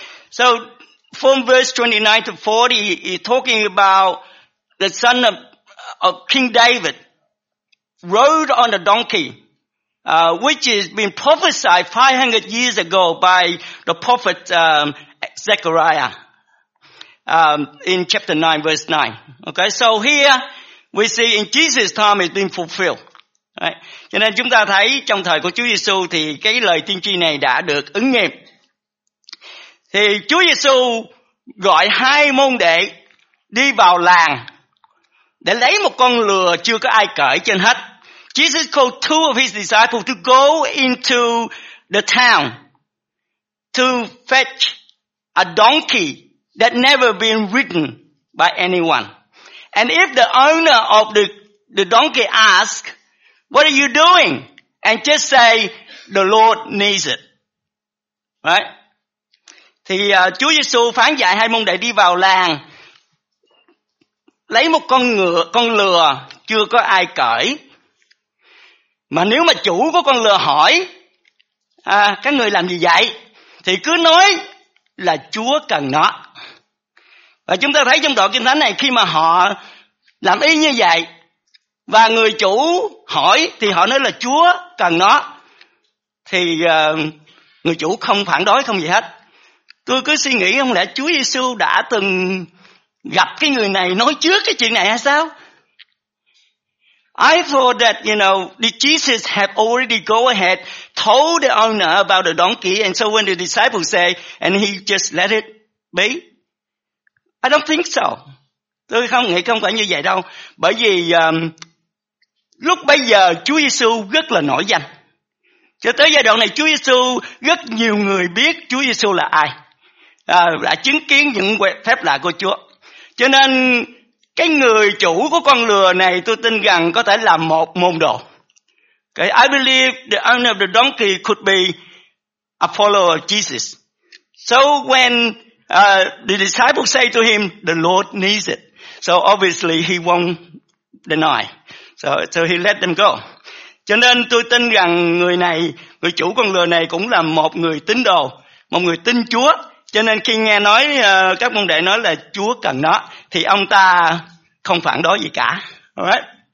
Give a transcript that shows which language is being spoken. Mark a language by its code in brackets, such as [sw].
[en] So from verse 29 to 40 he's talking about the son of King David rode on a donkey, which has been prophesied 500 years ago by the prophet Zechariah in chapter 9, verse 9. Okay, so here we see in Jesus' time it's been fulfilled. [vi] Right? Cho nên chúng ta thấy trong thời của Chúa Giêsu thì cái lời tiên tri này đã được ứng nghiệm. Thì Chúa Giêsu gọi hai môn đệ đi vào làng để lấy một con lừa chưa có ai cởi trên hết. [en] Jesus called two of his disciples to go into the town to fetch a donkey that never been ridden by anyone. And if the owner of the donkey asks, "What are you doing?" and just say, "The Lord needs it." Right? [vi] Thì Chúa Giêsu phán dạy hai môn đệ đi vào làng lấy một con lừa chưa có ai cởi. Mà nếu mà chủ của con lừa hỏi, các người làm gì vậy? Thì cứ nói là Chúa cần nó. Và chúng ta thấy trong đoạn kinh thánh này, khi mà họ làm ý như vậy, và người chủ hỏi, thì họ nói là Chúa cần nó. Thì người chủ không phản đối không gì hết. Tôi cứ suy nghĩ, không lẽ Chúa Giêsu đã từng gặp cái người này nói trước cái chuyện này hay sao? [en] I thought that, you know, did Jesus have already go ahead, told the owner about the donkey, and so when the disciples say, and he just let it be? I don't think so. [vi] Tôi không nghĩ không phải như vậy đâu. Bởi vì lúc bây giờ Chúa Giêsu rất là nổi danh. Cho tới giai đoạn này Chúa Giêsu rất nhiều người biết Chúa Giêsu là ai, đã chứng kiến những phép lạ của Chúa. Cho nên cái người chủ của con lừa này tôi tin rằng có thể là một môn đồ. [en] Okay, I believe the owner of the donkey could be a follower of Jesus. So when the disciples say to him, the Lord needs it. So obviously he won't deny. So he let them go. [vi] Cho nên tôi tin rằng người này, người chủ con lừa này cũng là một người tín đồ, một người tin Chúa. Cho nên khi nghe nói các môn đệ nói là Chúa cần nó, thì ông ta không phản đối gì cả. Alright.